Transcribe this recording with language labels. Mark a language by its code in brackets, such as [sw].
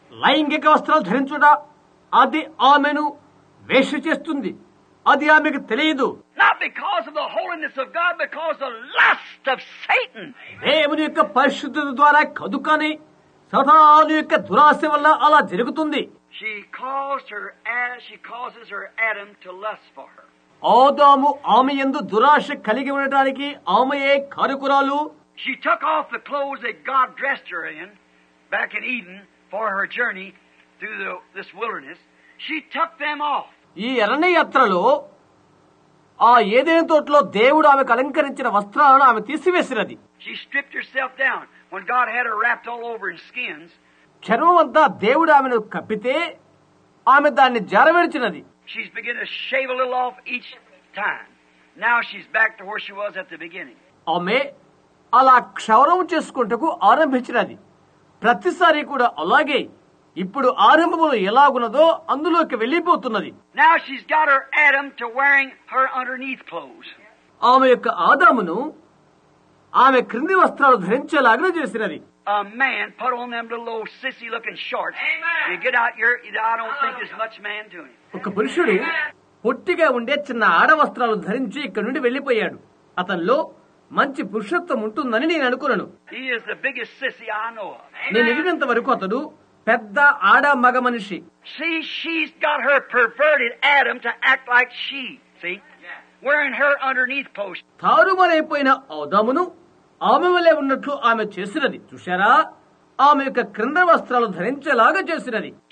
[te] లైంగిక వస్త్రాలు ధరించుట అది ఆమెను వేశ్య చేస్తుంది. అది ఆమెకు తెలియదు. [en] Not because of the holiness of God, because of the lust of Satan. [te] దేవుని యొక్క పరిశుద్ధత ద్వారా కదుకని సతాను యొక్క దురాశ వల్ల అలా జరుగుతుంది. [en] She causes her Adam to lust for her. [te] ఆదాము ఆమె యందు దురాశ కలిగి ఉండటానికి ఆమెయే కారకురాలు. [en] She took off the clothes that God dressed her in back in Eden for her journey through this wilderness. She took them off. [te] ఈ ఎర్రని యాత్రలో ఆ ఏదేని తోటలో దేవుడు ఆమెకు అలంకరించిన వస్త్రాలను ఆమె తీసివేసినది. [en] She stripped herself down when God had her wrapped all over in skins. [te] చర్మం అంతా దేవుడు ఆమెను కప్పితే ఆమె దాన్ని జారవిడిచినది. [en] She's beginning to shave a little off each time. Now she's back to where she was at the beginning. [te] ఆమె అలా క్షౌరం చేసుకుంటకు ఆరంభించినది. ప్రతిసారి కూడా అలాగే ఇప్పుడు ఆరంభములు ఎలాగున్నదో అందులోకి వెళ్లిపోతున్నది. [en] Now she's got her Adam to wearing her underneath clothes. [te] ఆమె యొక్క ఆదామును ఆమె క్రింది వస్త్రాలు ధరించేలాగా చేసినది. [en] A man put on them little old sissy looking shorts. Amen. You get out here, I don't think there's much man to him. [te] ఒక పురుషుడు పొట్టిగా ఉండే చిన్న ఆడవస్త్రాలు ధరించి ఇక్కడ నుండి వెళ్లిపోయాడు. అతనిలో మంచి పురుషత్వం ఉంటుందని నేను అనుకున్నాను. [en] He is the biggest sissy I know of. [te] నేను ఎదిగినంత వరకు అతడు పెద్ద ఆడ మగ మనిషి. [en] See, she's got her perverted Adam to act like she. See? Wearing her underneath post. [te] తారుమారైపోయిన ఆదామును ఆమె వలె ఉన్నట్లు ఆమె చేసినది. చూశారా? ఆమె యొక్క క్రింద వస్త్రాలు ధరించేలాగా చేసినది.